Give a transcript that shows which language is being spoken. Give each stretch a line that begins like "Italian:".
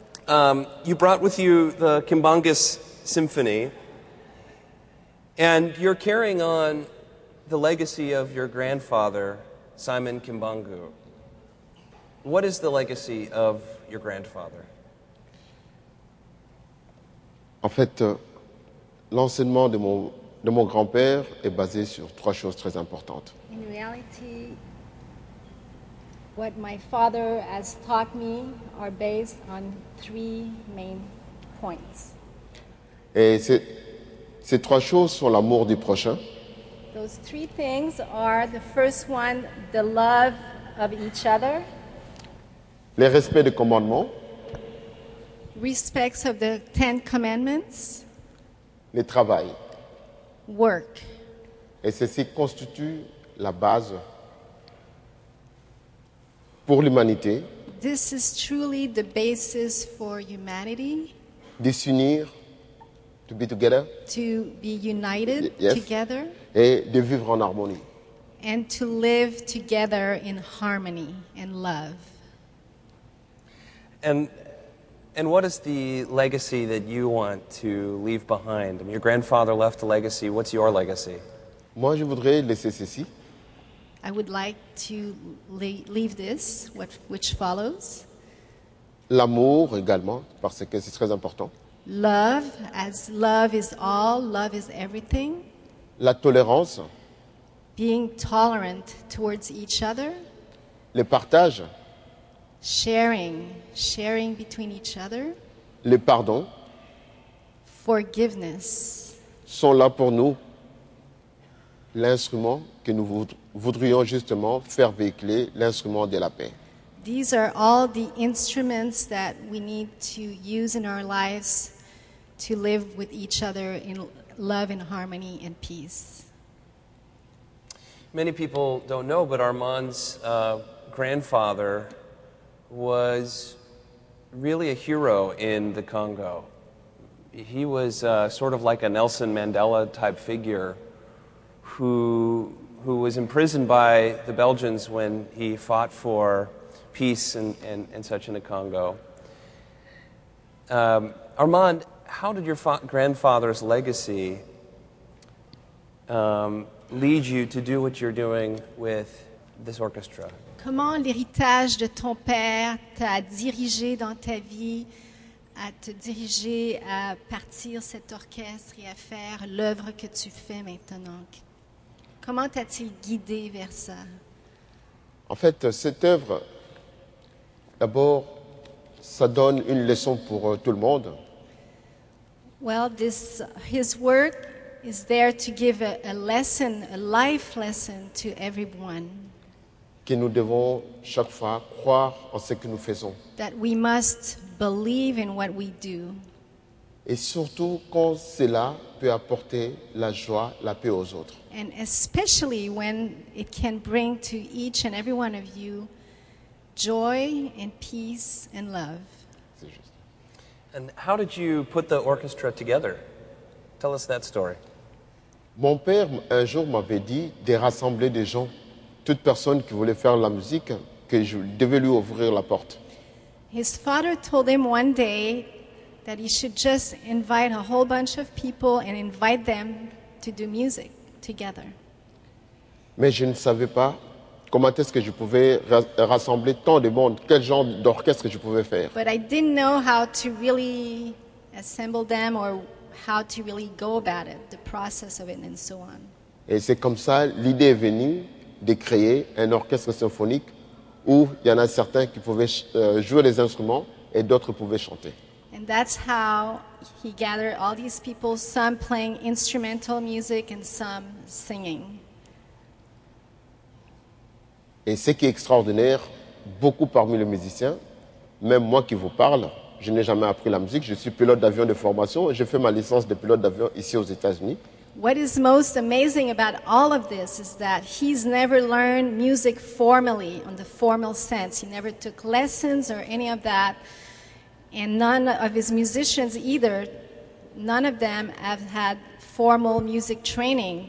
English: You brought with you the Kimbangas Symphony, and you're carrying on the legacy of your grandfather, Simon Kimbangu. What is the legacy of your grandfather?
French: En fait, l'enseignement de mon grand-père est basé sur trois choses très importantes.
English: In reality, what my father has taught me are based on three main points.
French: Et ces trois choses sont l'amour du prochain.
English: Those three things are the first one, the love of each other.
French: Le respect des commandements.
English: Respects of the Ten Commandments.
French: Le travail.
English: Work.
French: Et ceci constitue la base pour l'humanité.
English: This is truly the basis for humanity.
French: De s'unir.
English: To be together. To be united, yes. Together.
French: Et de vivre en harmonie.
English: And to live together in harmony and love. And what is the legacy that you want to leave behind? I mean, your grandfather left a legacy. What's your legacy?
French: Moi, je voudrais laisser ceci.
English: I would like to leave this, which follows.
French: L'amour également, parce que c'est très important.
English: Love, as love is all, love is everything.
French: La tolérance.
English: Being tolerant towards each other.
French: Le partage.
English: Sharing between each other.
French: Le pardon.
English: Forgiveness.
French: Sont là pour nous l'instrument que nous voudrions justement faire véhiculer, l'instrument de la paix.
English: These are all the instruments that we need to use in our lives to live with each other in love and harmony and peace. Many people don't know, but Armand's grandfather was really a hero in the Congo. He was sort of like a Nelson Mandela type figure who was imprisoned by the Belgians when he fought for peace and such in the Congo. Armand, how did your grandfather's legacy lead you to do what you're doing with this orchestra?
French: Comment l'héritage de ton père t'a dirigé dans ta vie, à te diriger à partir cet orchestre et à faire l'œuvre que tu fais maintenant? Comment t'a-t-il guidé vers ça? En fait, cette œuvre, d'abord, ça donne une leçon pour tout le monde.
English: Well, his work is there to give a lesson, a life lesson to everyone.
French: Que nous devons chaque fois croire en ce que nous faisons.
English: That we must believe in what we do.
French: Et surtout quand cela peut apporter la joie, la paix aux autres.
English: And especially when it can bring to each and every one of you joy and peace and love. And how did you put the orchestra together? Tell us that story.
French: Mon père un jour m'avait dit de rassembler des gens, toute personne qui voulait faire la musique, que je devais lui ouvrir la porte.
English: His father told him one day that you should just invite a whole bunch of people and invite them to do music together.
French: Mais je ne savais pas comment est-ce que je pouvais rassembler tant de monde, quel genre d'orchestre je pouvais faire.
English: But I didn't know how to really assemble them or how to really go about it, the process of it and so on.
French: Et c'est comme ça l'idée est venue de créer un orchestre symphonique où il y en a certains qui pouvaient jouer les instruments et d'autres pouvaient chanter.
English: And that's how he gathered all these people, some playing instrumental music and some singing.
French: Et ce qui est extraordinaire, beaucoup parmi les musiciens, même moi qui vous parle, je n'ai jamais appris la musique, je suis pilote d'avion de formation, et je fais ma licence de pilote d'avion ici aux États-Unis.
English: What is most amazing about all of this is that he's never learned music formally, in the formal sense. He never took lessons or any of that. And none of his musicians either, none of them have had formal music training.